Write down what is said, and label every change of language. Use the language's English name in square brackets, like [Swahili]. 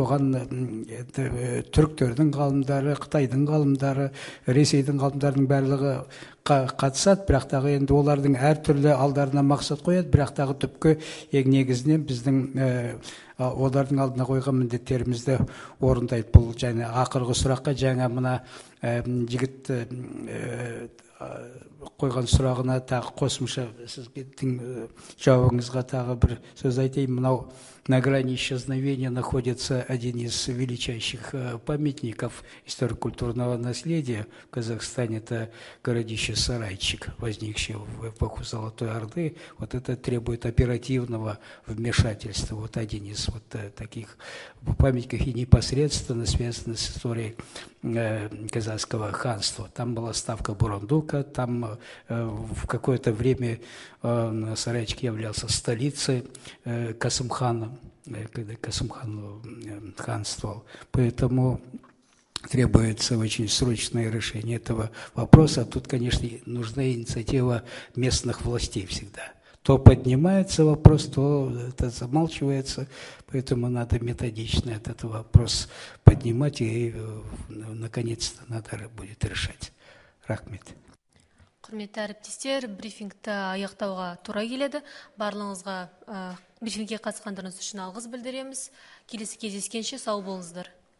[Kazakh] Оған түріктердің ғалымдары, Қытайдың ғалымдары, Ресейдің ғалымдарының барлығы қатысады, бірақ тағы енді олардың әртүрлі алдарына мақсат қояды, бірақ тағы түпкі негізінен біздің олардың алдына қойған міндеттерімізді орындайды. Бұл және ақырғы сұраққа жаңа мына жігіт қойған сұрағына тағы қосымша сіздің жауабыңызға тағы бір сөз айтайын. [Russian] Мынау на грани исчезновения находится один из величайших памятников историко-культурного наследия в Казахстане. Это городище Сарайчик, возникшее в эпоху Золотой Орды. Вот это требует оперативного вмешательства. Вот один из вот таких памятников и непосредственно связан с историей казахского ханства. Там была ставка Бурундука, там в какое-то время Сарайчик являлся столицей Касымхана, когда Касымхан ханствовал. Поэтому требуется очень срочное решение этого вопроса. Тут, конечно, нужна инициатива местных властей всегда. То поднимается вопрос, то это замалчивается. Поэтому надо методично этот вопрос поднимать и, наконец-то, надо будет решать. [Kazakh] Рахмет. Құрметті әріптестер, брифингті аяқтауға тура келеді. Барлығыңызға брифингке қатысқандарыңыз үшін алғыс білдіреміз. Келесі кездескенше сау болыңыздар.